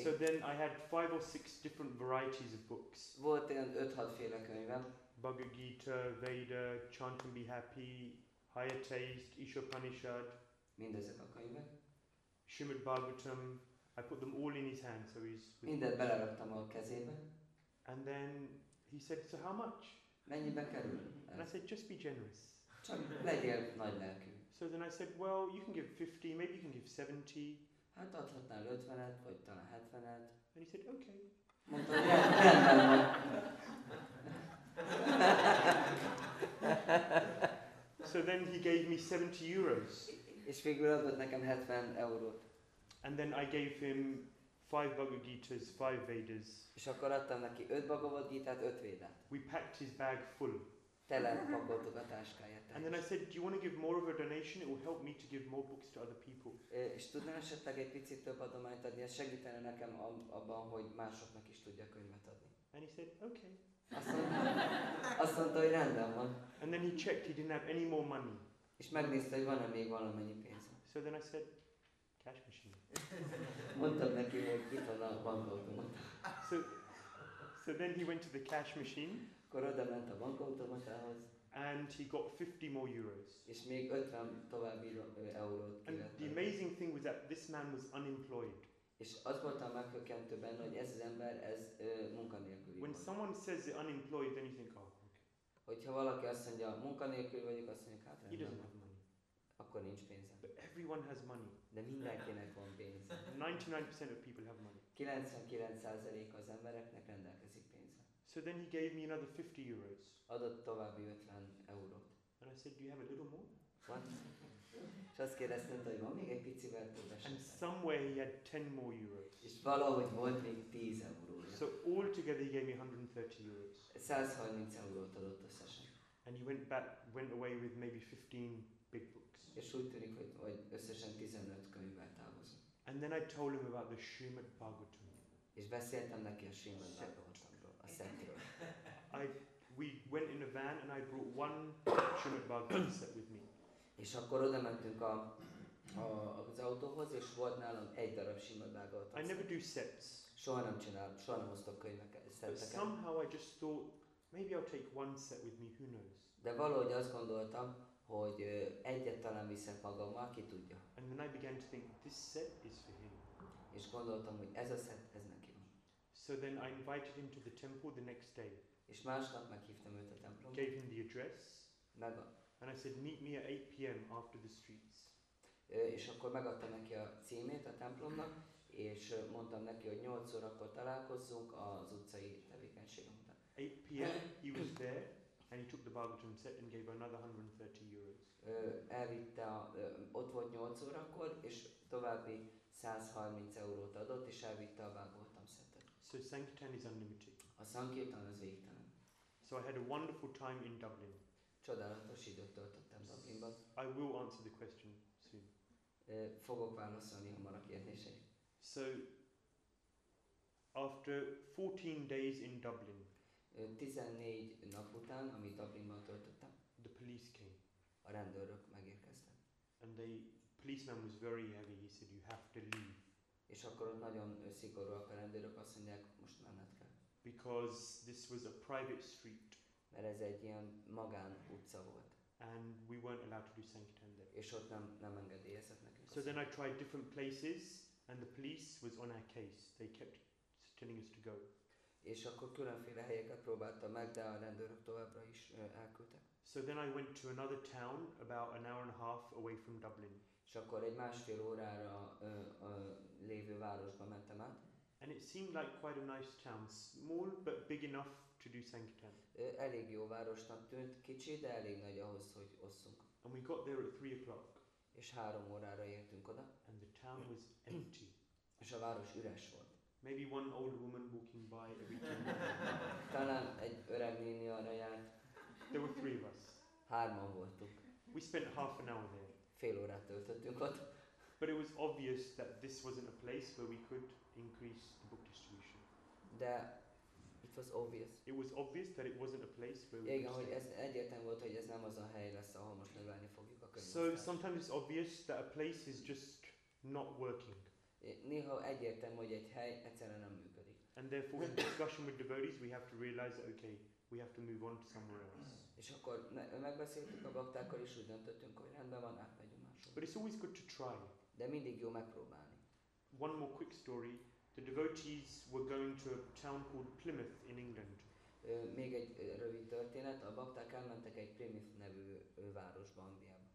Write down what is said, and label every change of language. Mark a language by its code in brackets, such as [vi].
[en] So then I had 5 or 6 different varieties of books. [hu] Volt ilyen 5-6 féle könyvem. [en] Bhagavad Gita, Veda, Chant and Be Happy, Higher Taste, Ishopanishad. [hu] Mindezek a könyvek. [en] Srimad Bhagavatam. I put them all in his hand, so he's... [hu] Mindet beleraktam a kezébe. [en] And then he said, so how much? [hu] Mennyibe kerül? [en] And I said, just be generous. [hu] Csak legyél nagy lelkű. [en] So then I said, well, you can give 50, maybe you can give 70. [hu] Hát adhatnál 50-et, vagy talán 70-et. [en] And he said, okay. [hu] Mondta, hogy rendben van. [en] so then he gave me 70 euros. [hu] És végül adott nekem 70 eurót. [en] And then I gave him 5 Bhagavad Gita's, 5 Vedas. [hu] És akkor adtam neki 5 Bhagavad Gita-t, 5 Vedát. [en] We packed his bag full. [hu] Tele pakoltuk a táskáját. [en] And then I said, do you want to give more of a donation? It will help me to give more books to other people. [hu] És tudnál esetleg egy picit több adományt adni, ez segítene nekem abban, hogy másoknak is tudja könyvet adni. [en] And he said, okay. [hu] Azt mondta, hogy rendben van. [en] And then he checked, he didn't have any more money. [hu] És megnézte, hogy van-e még valamennyi pénz. [en] So then I said, cash machine. [hu] Mondtam neki, hogy kitad a bankautomat. [en] So then he went to the cash machine. [hu] Akkor oda ment a bankautomatához. [en] And he got 50 more euros. [hu] És még 50 további eurót. [en] And the amazing thing was that this man was unemployed. [hu] És azt mondtam megkökentőben, hogy ez az ember, ez munkanélküli. [en] When someone says they're unemployed, then you think, oh, [hu] hogyha valaki azt mondja, munkanélkül vagyok, azt mondjuk, hát rendben, akkor nincs pénze. [en] But everyone has money. [hu] De mindenkinek van pénze. [en] 99% of people have money. [hu] 99% az embereknek rendelkezik pénze. [en] So then he gave me another 50 euros. [hu] Adott további 50 eurót. [en] And I said, do you have a little more? [hu] Van. És azt kérdeztem, hogy van még egy picivel több esetleg. [en] And somewhere he had 10 more euros. [hu] És valahogy volt még 10 eurója. [en] So all together he gave me 130 euros. [hu] 130 eurót adott összesen. [en] And he went away with maybe 15 big books. [hu] És úgy tűnik, hogy összesen 15 könyvvel távozott. [en] And then I told him about the Srimad Bhagavatam. [hu] És beszéltem neki a Srimad Bhagavatamról, a szentről. [en] We went in a van and I brought one Srimad Bhagavatam set with me. [hu] És akkor oda mentünk az autóhoz, és volt nálam egy darab Srimad Bhagavatam. [en] I never do sets. [hu] Soha nem hoztok könyveket, szetteket. [en] But somehow I just thought, maybe I'll take one set with me, who knows. [hu] De valahogy azt gondoltam, hogy egyet talán viszek magammal, ki tudja. [en] And then I began to think, this set is for him. [hu] És gondoltam, hogy ez a set, ez neki van. [en] So then I invited him to the temple the next day. [hu] És másnap meghívtam őt a templomba. [en] Gave him the address. [hu] Meg. [en] And I said, meet me at 8 p.m. after the streets. [hu] És akkor megadtam neki a címét a templomnak, és mondtam neki, hogy 8 órakor találkozzunk az utcai tevékenységem után. [en] 8 p.m. he was there, and he took the Bhagavatam set and gave another 130 euros. [hu] Ott volt 8 órakor, és további 130 eurót adott, és elvitte a Bhagavatam setet. [en] So Sankirtan is unlimited. [hu] A Sankirtan az végtelen. [en] So I had a wonderful time in Dublin. [hu] Csodálatos időt töltöttem Dublinban. [en] I will answer the question soon. [hu] Fogok válaszolni hamar a kérdéseit. [en] So, after 14 days in Dublin, [hu] 14 nap után, amit Dublinban töltöttem, [en] the police came. [hu] A rendőrök megérkeztek. [en] And the policeman was very heavy, he said, you have to leave. [hu] És akkor ott nagyon szigorúak a rendőrök, azt mondják, most menned kell. [en] Because this was a private street. [hu] Mert ez egy ilyen magán utca volt. [en] And we weren't allowed to do sankirtan there. [hu] És ott nem engedélyeztek nekünk. [en] So then I tried different places. And the police was on our case. They kept telling us to go. [hu] És akkor különféle helyeket próbáltam meg, de a rendőrök továbbra is elküldtek. [en] So then I went to another town about an hour and a half away from Dublin. [hu] És akkor egy másfél órára lévő városba mentem át. [en] And it seemed like quite a nice town, small but big enough to do sankirtan. [hu] Elég jó városnak tűnt, kicsi, de elég nagy ahhoz, hogy osszunk. [en] And we got there at 3 o'clock. [hu] És 3 órára értünk oda. [en] And the town was empty. [hu] És a város üres volt. [en] Maybe one old woman walking by every 10 minutes. [hu] Talán egy öreg néni arra járt. [en] There were 3 of us. [hu] Hárman voltunk. [en] We spent half an hour there. [hu] Fél órát töltöttünk ott. [en] But it was obvious that this wasn't a place where we could increase the book distribution. De it was obvious. It was obvious that it wasn't a place where we could. [hu] Igen, hogy ez egyértelmű volt, hogy ez nem az a hely lesz, ahol most növelni fogjuk. [en] So sometimes it's obvious that a place is just not working. [hu] Néha egyértelmű, hogy egy hely egyszerűen nem működik. [en] And therefore in discussion with devotees we have to realize that okay, we have to move on to somewhere else. [hu] És akkor megbeszéltük a baktákkal és úgy döntöttünk, hogy rendben van, átmegyünk máshol. [en] But it's always good to try. [hu] De mindig jó megpróbálni. [en] One more quick story. The devotees were going to a town called Plymouth in England. [hu] Még egy rövid történet, a bakták elmentek egy Plymouth nevű városba Angliába.